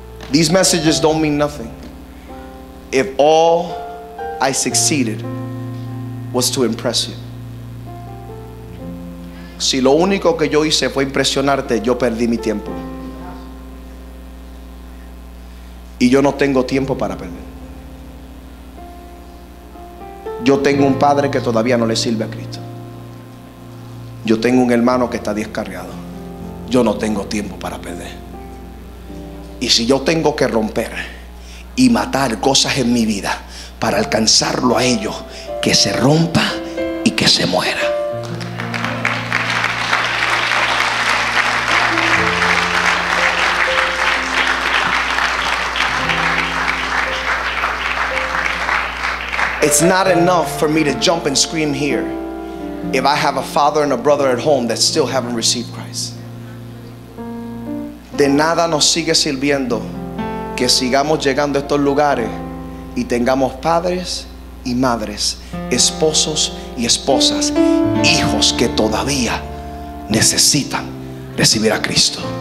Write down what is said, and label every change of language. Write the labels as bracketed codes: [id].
[en] These messages don't mean nothing if all I succeeded was to impress you. [es] Si lo único que yo hice fue impresionarte, yo perdí mi tiempo. Y yo no tengo tiempo para perder. Yo tengo un padre que todavía no le sirve a Cristo. Yo tengo un hermano que está descargado. Yo no tengo tiempo para perder. Y si yo tengo que romper y matar cosas en mi vida para alcanzarlo a ellos, que se rompa y que se muera. [en] It's not enough for me to jump and scream here if I have a father and a brother at home that still haven't received Christ. [es] De nada nos sigue sirviendo que sigamos llegando a estos lugares y tengamos padres y madres, esposos y esposas, hijos que todavía necesitan recibir a Cristo.